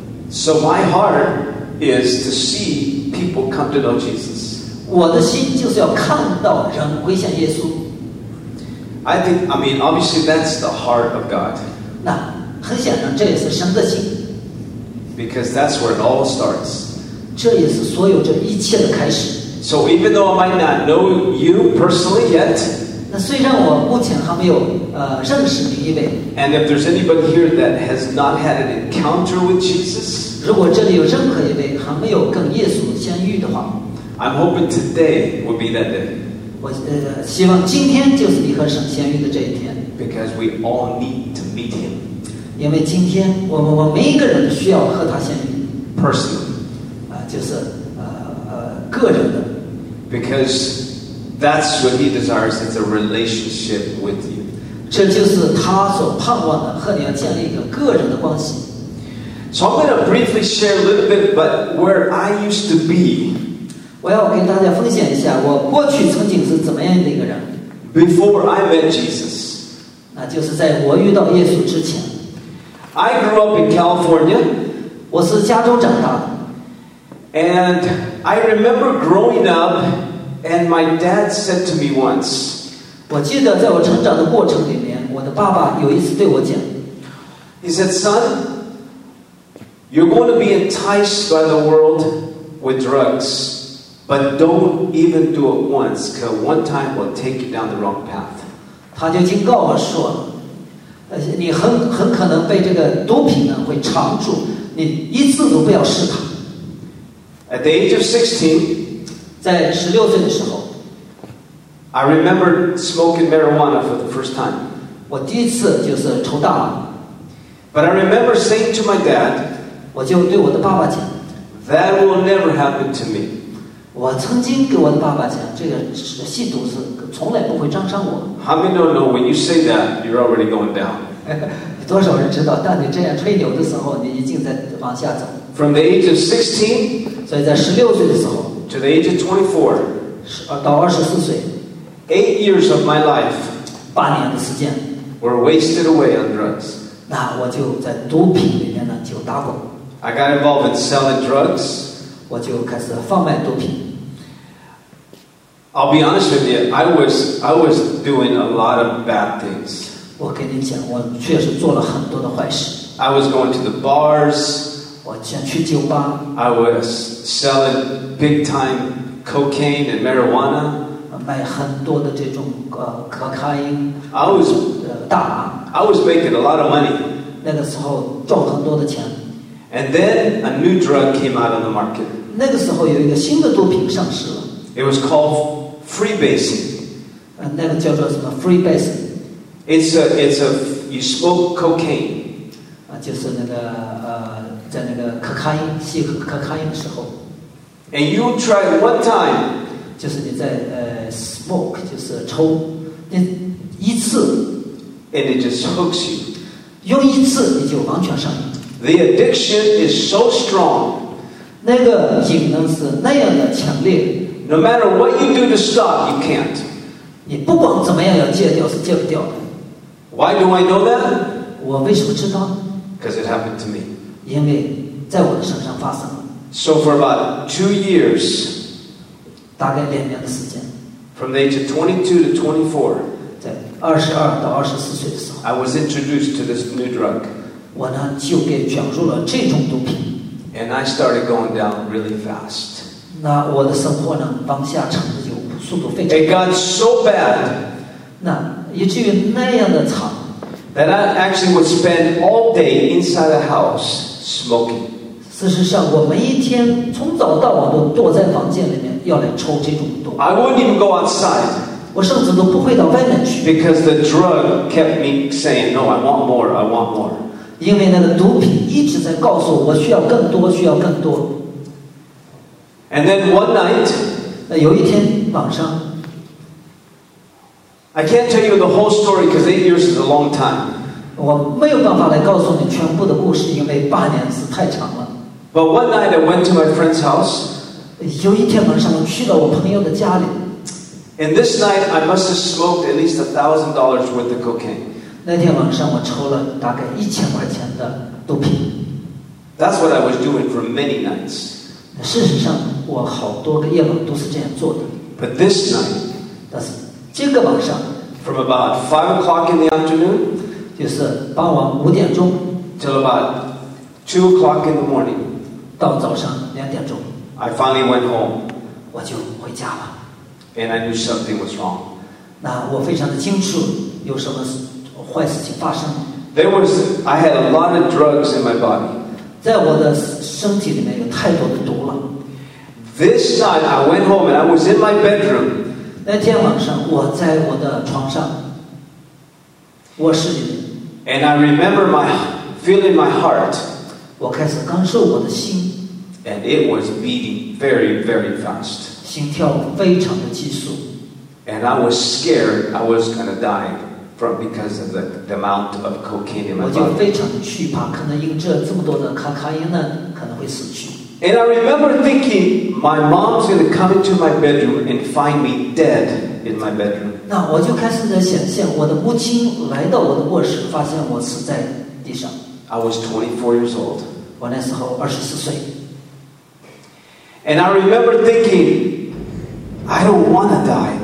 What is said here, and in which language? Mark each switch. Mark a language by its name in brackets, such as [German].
[English] So my heart is to see people come to know Jesus. [Chinese] 我的心就是要看到人归向耶稣。 [English] I mean, obviously that's the heart of God. [Chinese] 那很显然这也是神的心。 [English] Because that's where it all starts. [Chinese] 这也是所有这一切的开始。 [English] So even though I might not know you personally yet. [Chinese] 虽然我目前还没有认识你一位。 [English] And if there's anybody here that has not had an encounter with Jesus, [Chinese] 如果这里有任何一位还没有跟耶稣相遇的话， [English] I'm hoping today will be that day. [Chinese] 我希望今天就是你和神相遇的这一天。 [English] Because we all need to meet him. [Chinese] 因为今天我每一个人需要和他相遇。 [English] Personally. [Chinese] 就是个人的。 [English] Because. That's what he desires. It's a relationship with you. [Chinese] 这就是他所盼望的，和你要建立一个个人的关系。 [English] So I'm going to briefly share a little bit, but where I used to be. [Chinese] 我要跟大家分享一下，我过去曾经是怎么样的一个人。 [English] Before I met Jesus. [Chinese] 那就是在我遇到耶稣之前。 [English] I grew up in California. [Chinese] 我是加州长大的。 [English] And I remember growing up. And my dad said to me once, [Chinese] 我记得在我成长的过程里面，我的爸爸有一次对我讲， [English] He said, son, you're going to be enticed by the world with drugs, but don't even do it once, because one time will take you down the wrong path. [Chinese] 他就警告我说，你很可能被这个毒品呢会缠住，你一次都不要试它。 [English] At the age of 16, [Chinese] 在十六岁的时候 [English] I remember smoking marijuana for the first time. [Chinese] 我第一次就是抽大麻。 [English] But I remember saying to my dad, [Chinese] 我就对我的爸爸讲， [English] That will never happen to me. [Chinese] 我曾经跟我的爸爸讲，这个吸毒是从来不会沾上我。 [English] How many don't know when you say that, you're already going down? [Chinese] 多少人知道，当你这样吹牛的时候，你已经在往下走。 [English] From the age of 16, [Chinese] 所以在十六岁的时候， [English] to the age of 24, [Chinese] 到二十四岁， [English] 8 years of my life, [Chinese] 八年的时间， [English] were wasted away on drugs. [Chinese] 那我就在毒品里面呢就打滚。 [English] I got involved in selling drugs. [Chinese] 我就开始贩卖毒品。 [English] I'll be honest with you, I was doing a lot of bad things. [Chinese] 我跟你讲，我确实做了很多的坏事。 [English] I was going to the bars. [Chinese] 我想去酒吧。 [English] I was selling big time cocaine and marijuana. [Chinese] 卖很多的这种可卡因。 [English] I was [Chinese] 大麻。 [English] I was making a lot of money. [Chinese] 那个时候赚很多的钱。 [English] And then a new drug came out on the market. [Chinese] 那个时候有一个新的毒品上市了。 [English] It was called freebasing. [Chinese] 那个叫做什么 freebasing? [English] It's a you smoke cocaine. [Chinese] 就是那个在那个可卡因吸可卡因的时候。 [English] And you try one time. [Chinese] 就是你在smoke 就是抽那一次。 [English] And it just hooks you. [Chinese] 用一次你就完全上瘾。 [English] The addiction is so strong. [Chinese] 那个瘾呢是那样的强烈。 [English] No matter what you do to stop, you can't. [Chinese] 你不管怎么样要戒掉是戒不掉的。 [English] Why do I know that? [Chinese] 我为什么知道？ [English] Because it happened to me. [Chinese] 因为在我的身上发生了。 [English] So for about 2 years. [Chinese] 大概两年的时间。 [English] From the age of 22 to 24. [Chinese] 二十二到二十四岁的时候 [English] ，I was introduced to this new drug. [Chinese] 我呢就给卷入了这种毒品。 [English] And I started going down really fast. [Chinese] 那我的生活呢往下沉的就速度非常。 [English] It got so bad. [Chinese] 那以至于那样的惨。 [English] That I actually would spend all day inside the house smoking. [Chinese] 事实上，我每一天从早到晚都躲在房间里面要来抽这种毒。 [English] I wouldn't even go outside. [Chinese] 我甚至都不会到外面去。 [English] Because the drug kept me saying, "No, I want more. I want more." [Chinese] 因为那个毒品一直在告诉我，我需要更多，需要更多。 [English] And then one night, [Chinese] 那有一天晚上 [English] ，I can't tell you the whole story because 8 years is a long time. [Chinese] 我没有办法来告诉你全部的故事，因为八年是太长了。 [English] But one night I went to my friend's house. [Chinese] 有一天晚上，我去了我朋友的家里。 [English] And this night, I must have smoked at least $1,000 worth of cocaine. [Chinese] 那天晚上我抽了大概1000块钱的毒品。 [English] That's what I was doing for many nights. [Chinese] 事实上，我好多个夜晚都是这样做的。 [English] But this night, [Chinese] 但是这个晚上 [English] ，from about 5 o'clock in the afternoon, [Chinese] 就是傍晚5点钟 [English] ，till about 2 o'clock in the morning, [Chinese] 到早上2点钟 [English] ，I finally went home. [Chinese] 我就回家了。 [English] And I knew something was wrong. [Chinese] 那我非常的清楚有什么坏事情发生。 [English] There was I had a lot of drugs in my body. [Chinese] 在我的身体里面有太多的毒了。 [English] This night I went home and I was in my bedroom. [Chinese] 那天晚上我在我的床上，卧室里面。 [English] And I remember my feeling my heart. [Chinese] 我开始感受我的心。 [English] And it was beating very very fast. [Chinese] 心跳非常的急速。 [English] And I was scared I was going to die from because of the amount of cocaine in my body. [Chinese] 我就非常的惧怕，可能因为这么多的可卡因呢，可能会死去。 [English] And I remember thinking my mom's going to come into my bedroom and find me dead in my bedroom. [Chinese] 那我就开始在想象我的母亲来到我的卧室，发现我死在地上。 [English] I was 24 years old. [Chinese] 我那时候24岁。 [English] And I remember thinking, I don't want to die.